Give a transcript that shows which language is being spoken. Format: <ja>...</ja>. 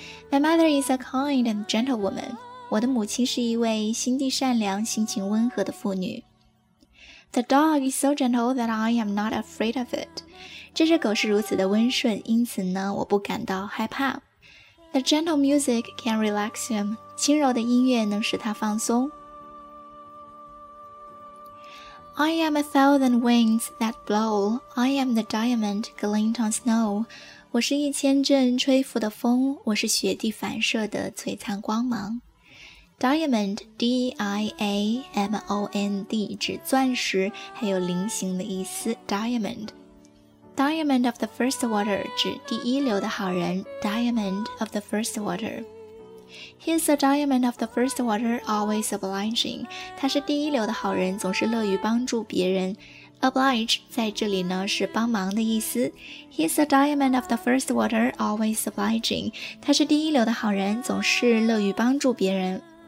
<en>My mother is a kind and gentle woman.</en> <zh>我的母亲是一位心地善良、心情温和的妇女。</zh> <en>The dog is so gentle that I am not afraid of it.</en> <zh>这只狗是如此的温顺，因此呢，我不感到害怕。</zh> <en>The gentle music can relax him.</en> <zh>轻柔的音乐能使他放松。</zh> <en>I am a thousand winds that blow. I am the diamond glint on snow.</en> <zh>我是一千阵吹拂的风，我是雪地反射的璀璨光芒。 Diamond, D-I-A-M-O-N-D, 指钻石，还有菱形的意思。Diamond.</zh> <en>Diamond of the first water</en> <zh>指第一流的好人。</zh> <en>Diamond of the first water. He's a diamond of the first water, always obliging.</en> <zh>他是第一流的好人，总是乐于帮助别人。 Oblige 在这里呢是帮忙的意思。</zh> <en>He's a diamond of the first water, always obliging.</en> <zh>他是第一流的好人，总是乐于帮助别人。</zh>